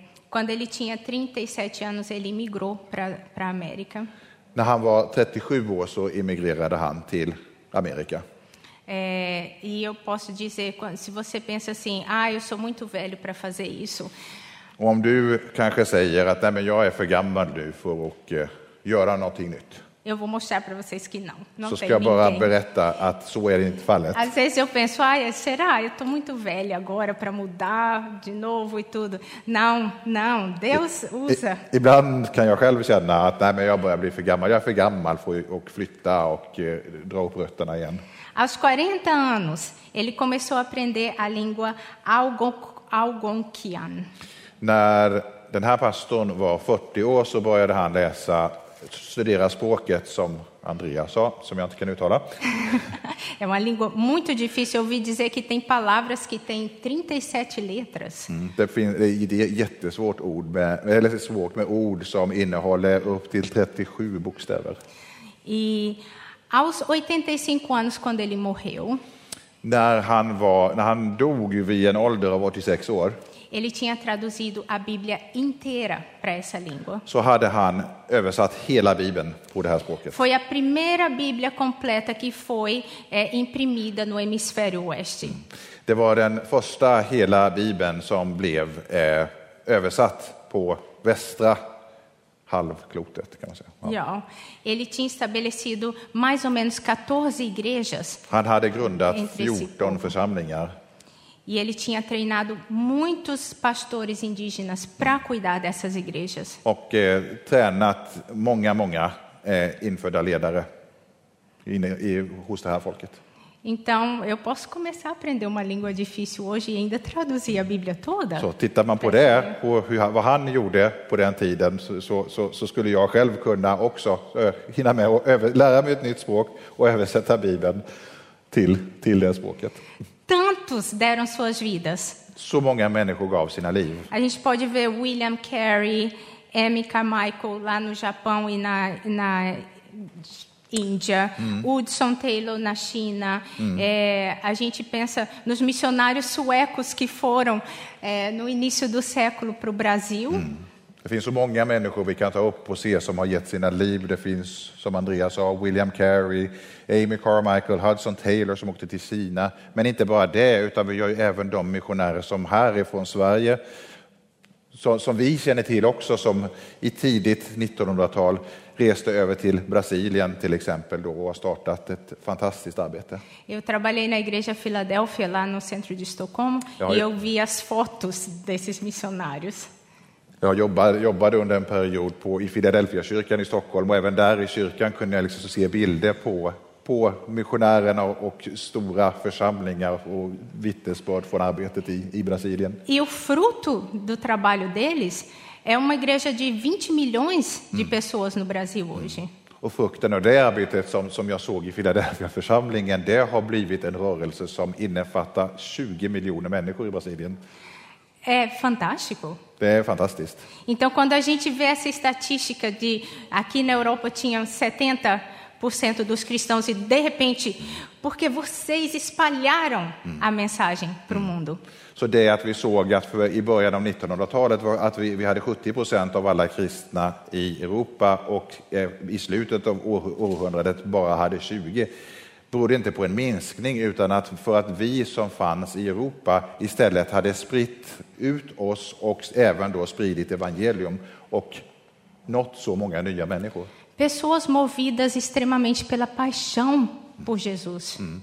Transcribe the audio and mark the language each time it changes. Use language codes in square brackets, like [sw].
[pt] Quando ele tinha 37 anos, ele emigrou para a América. [sv] När han var 37 år så emigrerade han till Amerika. [pt] E eu posso dizer, se você pensa assim, ah, eu sou muito velho para fazer isso. [sv] Och om du kanske säger att nej, men jag är för gammal nu för att göra någonting nytt. [pt] Eu vou mostrar para vocês que não. [sv] Så ska jag bara berätta att så är det inte fallet. [pt] Às vezes eu penso, ah, será? Eu tô muito velha agora para mudar de novo e tudo. Não, Deus usa. [sv] Ibland kan jag själv känna att nej, men jag börjar bli för gammal. Jag är för gammal för att flytta och dra upp rötterna igen. [pt] Aos 40 anos, ele começou a aprender a língua algonquian. [sv] När den här pastorn var 40 år så började han läsa, studera språket som Andrea sa, som jag inte kan uttala. [pt] É uma língua muito difícil. Eu ouvi dizer que tem palavras que tem 37 letras. [sv] Det är jättesvårt ord med, eller svårt med ord som innehåller upp till 37 bokstäver. [pt] E aos 85 anos quando ele morreu. [sv] När han dog vid en ålder av 86 år. [pt] Ele tinha traduzido a Bíblia inteira para essa língua. [sv] Så hade han översatt hela Bibeln på det här språket. [pt] Foi a primeira Bíblia completa que foi imprimida no hemisfério oeste. [sv] Det var den första hela Bibeln som blev översatt på västra halvklotet, kan man säga. [pt] Ja, ele tinha estabelecido mais ou menos 14 igrejas. [sv] Han hade grundat 14 församlingar. [pt] E ele tinha treinado muitos pastores indígenas para cuidar dessas igrejas. [sv] Och tränat många infödda ledare hos det här folket. [pt] Então, eu posso começar a aprender uma língua difícil hoje e ainda traduzir a Bíblia toda? [sv] Så tittar man på det, vad han gjorde på den tiden, så skulle jag själv kunna också hinna med och lära mig ett nytt språk och översätta Bibeln till det språket. [pt] Tantos deram suas vidas. [sv] Så många människor gav sina liv. [pt] A gente pode ver William Carey, M. Carmichael lá no Japão e na Índia, Hudson Taylor na China. A gente pensa nos missionários suecos que foram no início do século para o Brasil. [sv] Det finns så många människor vi kan ta upp och se som har gett sina liv. Det finns, som Andrea sa, William Carey, Amy Carmichael, Hudson Taylor som åkte till Kina. Men inte bara det, utan vi gör ju även de missionärer som här är från Sverige, som vi känner till också, som i tidigt 1900-tal reste över till Brasilien till exempel då, och har startat ett fantastiskt arbete. [pt] Eu trabalhei na igreja Filadélfia lá no centro de Estocolmo e eu vi as fotos desses missionários. [sv] Jag jobbade under en period i Philadelphia kyrkan i Stockholm, och även där i kyrkan kunde jag liksom se bilder på missionärerna och stora församlingar och vittnesbörd från arbetet i Brasilien. [pt] E o fruto do trabalho deles é uma igreja de 20 milhões de pessoas no Brasil hoje. [sv] Och frukten av det arbetet som jag såg i Philadelphia församlingen, det har blivit en rörelse som innefattar 20 miljoner människor i Brasilien. [pt] É fantástico. [sv] Det är fantastiskt. [pt] Então quando a gente vê essa estatística de aqui na Europa tinham 70% dos cristãos e de repente porque vocês espalharam a mensagem para o mundo. [sv] Så det är att vi såg att i början av 1900-talet var att vi hade 70% av alla kristna i Europa och i slutet av århundradet bara hade 20. Berodde inte på en minskning, utan att för att vi som fanns i Europa istället hade spritt ut oss och även då spridit evangelium och nått så många nya människor. [pt] Pessoas movidas extremamente pela paixão por Jesus.